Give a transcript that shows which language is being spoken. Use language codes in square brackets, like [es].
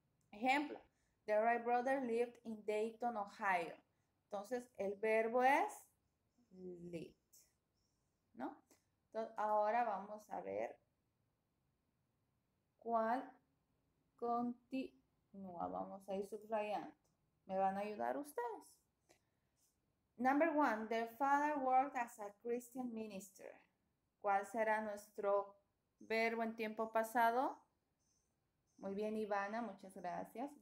[es] Ejemplo, [en] the Wright brother lived in Dayton, Ohio. [es] Entonces, el verbo es lived, ¿no? Entonces, ahora vamos a ver cuál continúa. Vamos a ir subrayando. ¿Me van a ayudar ustedes? [en] Number one, their father worked as a Christian minister. [es] ¿Cuál será nuestro verbo en tiempo pasado? Muy bien, Ivana, muchas gracias.